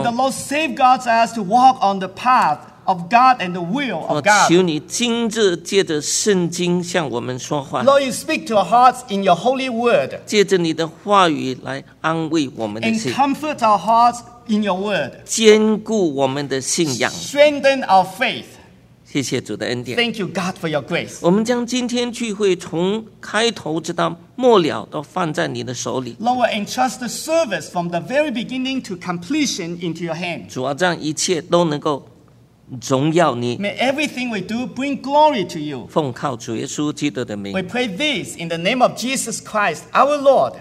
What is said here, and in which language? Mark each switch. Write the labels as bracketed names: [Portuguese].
[English] And may the Lord safeguard us to walk on the path of God and the will of God. [Chinese] 我求你今日借着圣经向我们说话。 [English] Lord, you speak to our hearts in your holy word. [Chinese] 借着你的话语来安慰我们的心。 [English] And comfort our hearts in your word. [Chinese] 坚固我们的信仰。 [English] Strengthen our faith. [Chinese] 谢谢主的恩典。 [English] Thank you, God, for your grace. [Chinese] 我们将今天聚会从开头直到末了都放在你的手里。 [English] Lord, entrust the service from the very beginning to completion into your hand. [Chinese] 主啊，这样一切都能够荣耀你。 [English] May everything we do bring glory to you. [Chinese] 奉靠主耶稣基督的名。 [English] We pray this in the name of Jesus Christ, our Lord.